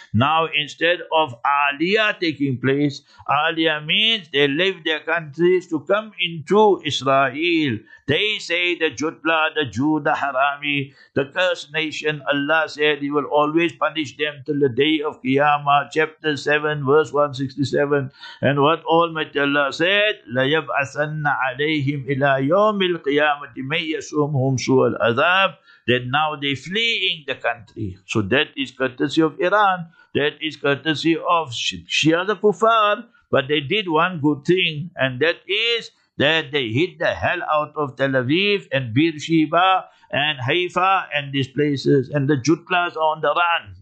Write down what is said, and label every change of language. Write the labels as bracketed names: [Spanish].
[English] Now, instead of Aliyah taking place, Aliyah means they leave their countries to come into Israel. They say the jutla, the Jew, the Harami, the cursed nation, Allah said He will always punish them till the day of Qiyamah, chapter 7, verse 167. And what Almighty Allah said, [Arabic] لَيَبْعَثَنَّ عَلَيْهِمْ إِلَىٰ يَوْمِ الْقِيَامَةِ مَنْ يَسُومْهُمْ سُوَ الْعَذَابِ. [English] That now they fleeing the country. So that is courtesy of Iran. That is courtesy of Shia the Kufar. But they did one good thing, and that is that they hit the hell out of Tel Aviv and Beersheba and Haifa and these places, and the Jutlas are on the run.